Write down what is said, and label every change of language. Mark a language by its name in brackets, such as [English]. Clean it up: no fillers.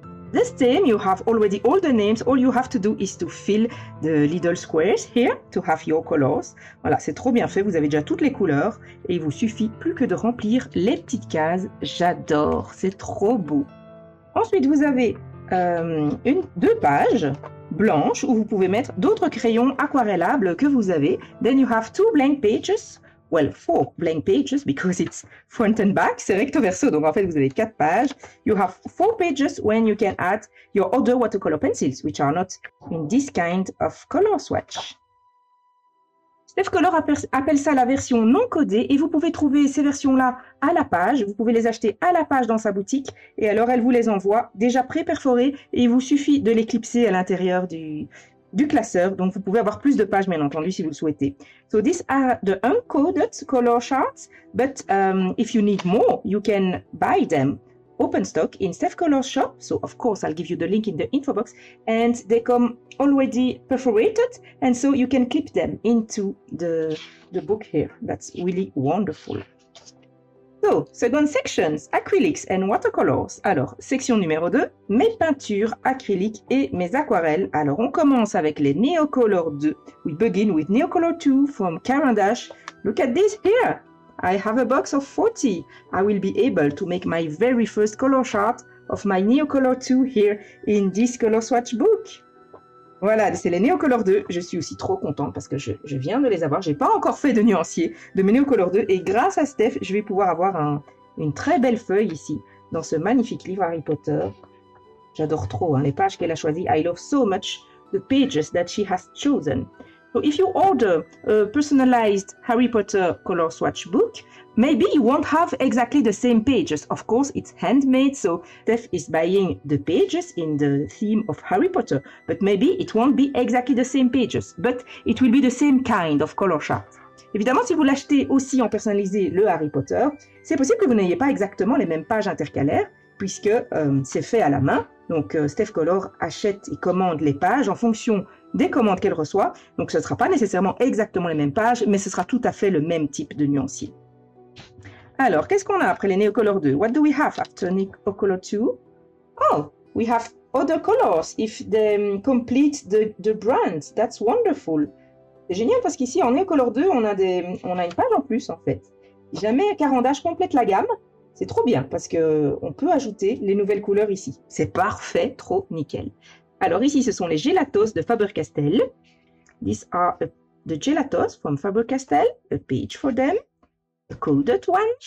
[English] This time, you have already all the names. All you have to do is to fill the little squares here to have your colors. [French] Voilà, c'est trop bien fait. Vous avez déjà toutes les couleurs et il vous suffit plus que de remplir les petites cases. J'adore, c'est trop beau. Ensuite, vous avez deux pages blanches où vous pouvez mettre d'autres crayons aquarellables que vous avez. [English] Then you have two blank pages. Well, four blank pages because it's front and back. [French] C'est recto verso, donc en fait, vous avez quatre pages. [English] You have four pages when you can add your other watercolor pencils, which are not in this kind of color swatch. [French] Steph Color appelle ça la version non codée et vous pouvez trouver ces versions-là à la page. Vous pouvez les acheter à la page dans sa boutique et alors elle vous les envoie déjà pré-perforées et il vous suffit de les clipser à l'intérieur du classeur, donc vous pouvez avoir plus de pages, bien entendu, si vous le souhaitez. [English] So these are the uncoded color charts, but if you need more, you can buy them open stock in Steph Color shop. So of course, I'll give you the link in the info box, and they come already perforated, and so you can clip them into the book here. That's really wonderful. So, second section, acrylics and watercolors. [French] Alors, section numéro 2, mes peintures acryliques et mes aquarelles. Alors, on commence avec les Neocolor 2. [English] We begin with Neocolor 2 from Caran d'Ache. Look at this here. I have a box of 40. I will be able to make my very first color chart of my Neocolor 2 here in this color swatch book. [French] Voilà, c'est les Neocolor 2. Je suis aussi trop contente parce que je viens de les avoir. J'ai pas encore fait de nuancier de mes Neocolor 2. Et grâce à Steph, je vais pouvoir avoir une très belle feuille ici dans ce magnifique livre Harry Potter. J'adore trop les pages qu'elle a choisies. [English] I love so much the pages that she has chosen. So if you order a personalized Harry Potter color swatch book, maybe you won't have exactly the same pages. Of course, it's handmade, so Steph is buying the pages in the theme of Harry Potter. But maybe it won't be exactly the same pages, but it will be the same kind of color chart. [French] Évidemment, si vous l'achetez aussi en personnalisé le Harry Potter, c'est possible que vous n'ayez pas exactement les mêmes pages intercalaires, puisque c'est fait à la main. Donc Steph Color achète et commande les pages en fonction des commandes qu'elle reçoit. Donc ce ne sera pas nécessairement exactement les mêmes pages, mais ce sera tout à fait le même type de nuancier. Alors, qu'est-ce qu'on a après les Neocolor 2? [English] What do we have after Neocolor 2? Oh, we have other colors if they complete the brand. That's wonderful. [French] C'est génial parce qu'ici, en Neocolor 2, on a une page en plus, en fait. Jamais Caran d'Ache complète la gamme. C'est trop bien parce qu'on peut ajouter les nouvelles couleurs ici. C'est parfait, trop nickel. Alors ici, ce sont les Gelatos de Faber-Castell. [English] These are the Gelatos from Faber-Castell. A page for them. A coded one.